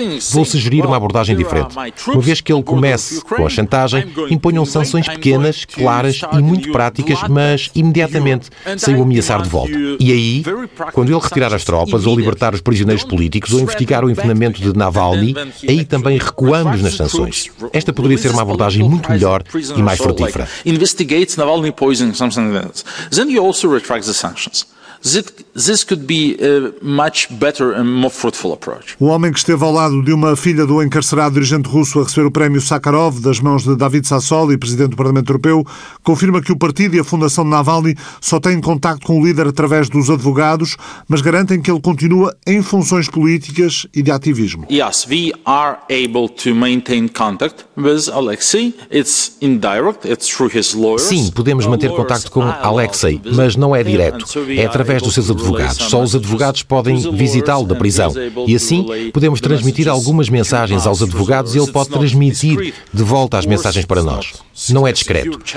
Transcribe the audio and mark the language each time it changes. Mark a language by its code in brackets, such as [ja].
[pt] Vou sugerir uma abordagem diferente. Uma vez que ele comece com a chantagem, imponham sanções pequenas, claras e muito práticas, mas imediatamente, sem o ameaçar de volta. E aí, quando ele retirar as tropas, ou libertar os prisioneiros políticos, ou investigar o envenenamento de Navalny, aí também recuamos nas sanções. Esta poderia ser uma abordagem muito melhor e mais frutífera. [en] Investigates Navalny poisoning, something like that. Then you also retract the sanctions. This could be a much better and more fruitful approach. [pt] O homem que esteve ao lado de uma filha do encarcerado dirigente russo a receber o prémio Sakharov das mãos de David Sassoli, presidente do Parlamento Europeu, confirma que o partido e a fundação de Navalny só têm contacto com o líder através dos advogados, mas garantem que ele continua em funções políticas e de ativismo. [en] Yes, we are able to maintain contact with Alexei. It's indirect, it's through his lawyers. [pt] Sim, podemos manter contacto com Alexei, mas não é direto. É através dos seus advogados. advogados. Só os advogados podem visitá-lo da prisão. E assim, podemos transmitir algumas mensagens aos advogados e ele pode transmitir de volta as mensagens para nós. Não é discreto.